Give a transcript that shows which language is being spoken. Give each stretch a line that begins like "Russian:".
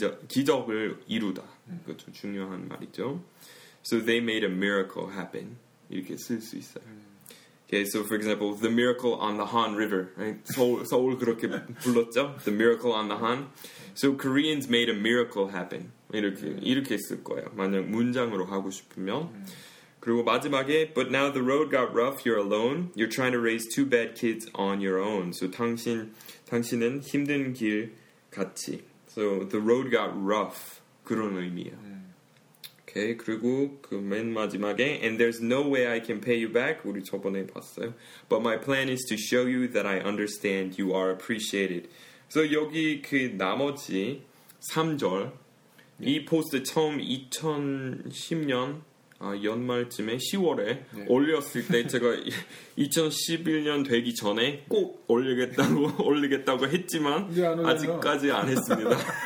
Korean: 기적을 이루다. 그것도 중요한 말이죠.
English: So they made a miracle happen.
Korean: 이렇게 쓸 수 있어요.
English: Okay, so for example, the miracle on the Han River. Right?
Korean: 서울 그렇게 불렀죠?
English: The miracle on the Han. So Koreans made a miracle happen.
Korean: 이렇게 이렇게 쓸 거예요. 만약 문장으로 하고 싶으면. 그리고 마지막에
English: But now the road got rough, you're alone. You're trying to raise two bad kids on your own.
Korean: So 당신은 힘든 길 같이.
English: So the road got rough.
Korean: 그런 의미예요.
English: Okay,
Korean: 그리고 그 맨 마지막에
English: And there's no way I can pay you back.
Korean: 우리 저번에 봤어요.
English: But my plan is to show you that I understand you are appreciated.
Korean: So 여기 그 나머지 3절 이 포스트 처음 2010년 연말쯤에 10월에 올렸을 때 제가 2011년 되기 전에 꼭 올리겠다고 했지만 아직까지 안 했습니다.